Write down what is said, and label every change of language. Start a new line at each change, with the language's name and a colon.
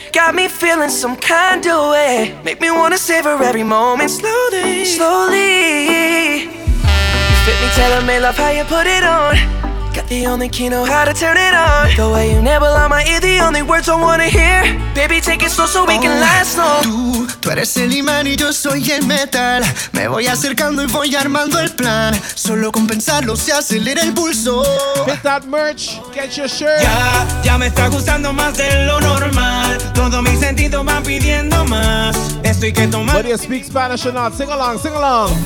English: Got me feeling some kind of way. Make me wanna savor every moment. Slowly, slowly. You fit me, tailor made, love how you put it on. Got the only key, know how to turn it on. The way you never on my ear, the only words I wanna hear. Baby, take it slow so we can last long.
Spanish: Tú eres el imán y yo soy el metal. Me voy acercando y voy armando el plan. Solo con pensarlo se acelera el pulso.
English: Hit that merch, get your shirt.
Spanish: Ya me está gustando más de lo normal. Todo mi sentido va pidiendo más. Esto hay que tomar.
English: Whether you speak Spanish or not, sing along, sing along.